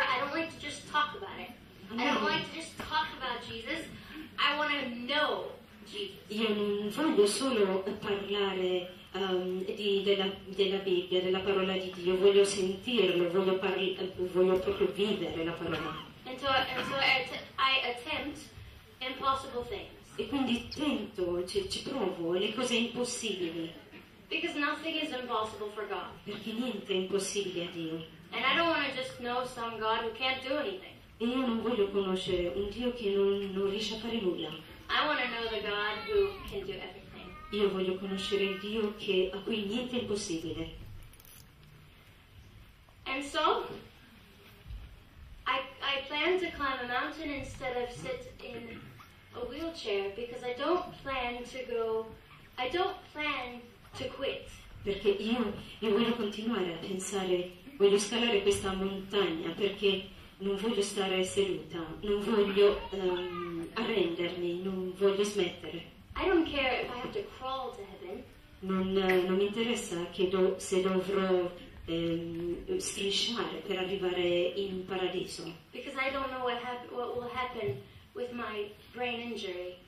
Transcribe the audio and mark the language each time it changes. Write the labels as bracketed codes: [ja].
[en] I don't like to just talk about it. I don't like to just talk about Jesus. I want to know Jesus. [it] Io non voglio solo parlare della Bibbia, della parola di Dio. Voglio sentirlo, voglio proprio vivere la parola. [en] And so I attempt impossible things. [it] E quindi tento, ci provo le cose impossibili. [en] Because nothing is impossible for God. [it] Perché niente è impossibile a Dio. [en] And I don't want to just know some God who can't do anything. [it] E io non voglio conoscere un Dio che non riesce a fare nulla. [en] I want to know the God who can do everything. [it] Io voglio conoscere il Dio a cui niente è impossibile. [en] And so I plan to climb a mountain instead of sit in a wheelchair because I don't plan to quit. [it] Perché io voglio continuare a pensare, voglio scalare questa montagna perché non voglio stare seduta, non voglio arrendermi, non voglio smettere. [en] I don't care if I have to crawl to heaven. [it] Non mi interessa se dovrò strisciare per arrivare in paradiso. [en] Because I don't know what will happen with my brain injury.